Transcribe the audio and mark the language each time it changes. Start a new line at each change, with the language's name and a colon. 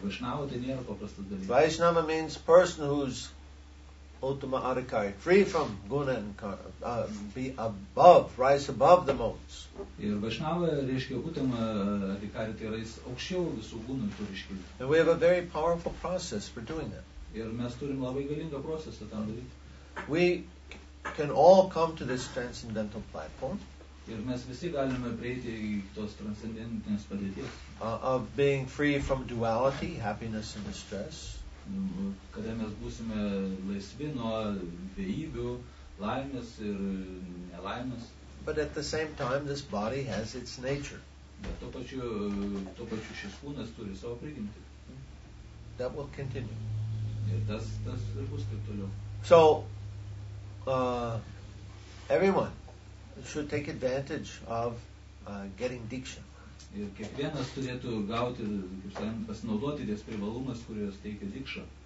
Lithuanian: Vaishnava tai nėra paprastas dalykas.
English: Vaishnava means person who's ultima adhikari, free from guna and karma, be above, rise above the modes.
Lithuanian: Ir Vaishnava reiškia ultima adhikari, tai yra aukščiau visų gunų tu reiškia.
English: And we have a very powerful process for doing that.
Lithuanian: Ir mes turim labai galingą procesą tam daryti.
English: We can all come to this transcendental platform.
Lithuanian: Ir mes visi galime prieiti iki tos transcendentinės padėties.
English: Of being free from duality, happiness and distress.
Lithuanian: Kada mes būsime laisvi nuo dvejybių, laimės ir nelaimės.
English: But at the same time, this body has its nature.
Lithuanian: Bet tuo pačiu šis kūnas turi savo prigimtį.
English: That will continue.
Lithuanian: Ir tas bus taip toliau.
English: So, everyone should take advantage of getting diksha.
Lithuanian: Ir kiekvienas turėtų gauti, kaip sakant, pasinaudoti ties privalumas, kurios teikia diksha.